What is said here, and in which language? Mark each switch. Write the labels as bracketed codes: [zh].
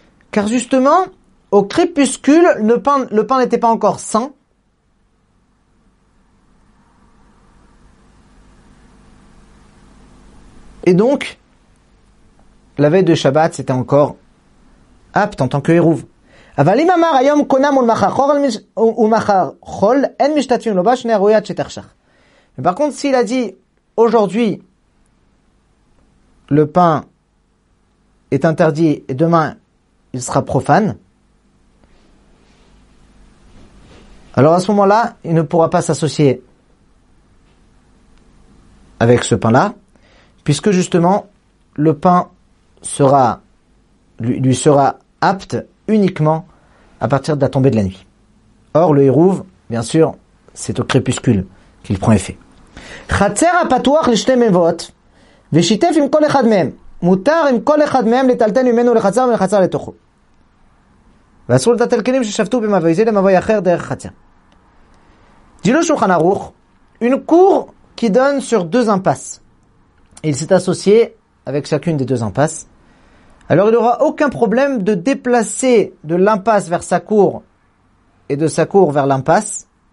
[fr] Car justement, au crépuscule, le pain n'était pas encore sain. Et donc, la veille de Shabbat, c'était encore apte en tant que Hérouve. [he] אבל אם אמר היום קונה מול מחר חול ומחר חול, אין משתתפים לו בשני אירועי עד שתחשך. [fr] Par contre, s'il a dit aujourd'hui le pain est interdit et demain il sera profane, alors à ce moment-là, il ne pourra pas s'associer avec ce pain-là, puisque justement, le pain sera, lui sera apte uniquement à partir de la tombée de la nuit. Or, le Hérouv, bien sûr, c'est au crépuscule qu'il prend effet. [he] חצר הפתוח לשתי מבואות ושיתף עם כל אחד מהם מותר עם כל אחד מהם לטלטל ממנו לחצר ולחצר לתוכו ואסור לטלטל כלים ששפטו במבוא זה למבוא אחר דרך חצר [fr] dit le Shulchan Aruch une cour qui donne sur deux impasses il s'est associé avec chacune des deux impasses alors il n'aura aucun problème de déplacer de l'impasse vers sa cour et de sa cour vers l'impasse.